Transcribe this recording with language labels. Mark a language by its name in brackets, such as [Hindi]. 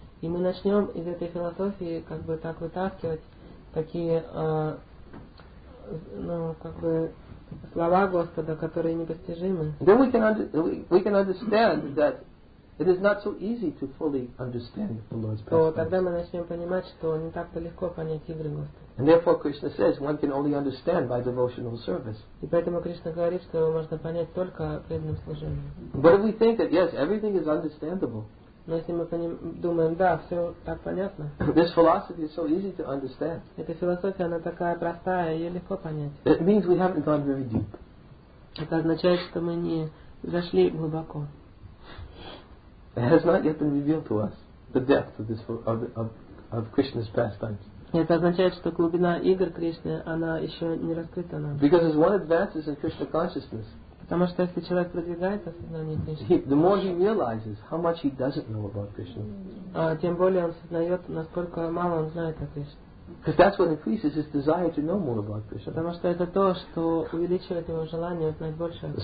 [Russian] и мы начнем из этой философии как бы так вытаскивать такие, ну как бы слова Господа, которые непостижимы. [English] Then we can understand that it is not so easy to fully understand the Lord's pastimes. [Russian] То тогда мы начнем понимать, что не так-то легко понять игры Господа. [English] And therefore Krishna says one can only understand by devotional service. [Russian] И поэтому Кришна говорит, что его можно понять только преданным служением. [English] But if we think that yes, everything is understandable. [Russian] Но если мы думаем, да, все так понятно. [English] This philosophy is so easy to understand. [Russian] Эта философия, она такая простая, ее легко понять. [English] It means we haven't gone very deep. [Russian] Это означает, что мы не зашли глубоко. [English] It has not yet been revealed to us the depth of this of Krishna's pastimes. [Russian] Это означает, что глубина игр Кришны, она еще не раскрыта нам. [English] Because as one advances in Krishna consciousness, [Russian] потому что если человек продвигается в сознании Кришны, [English] the more he realizes how much he doesn't know about Krishna. [Russian] Тем более он осознает, насколько мало он знает о Кришне. [English] Because that's what increases his desire to know more about Krishna. [Russian] Потому что это то, что увеличивает его желание узнать больше о Кришне.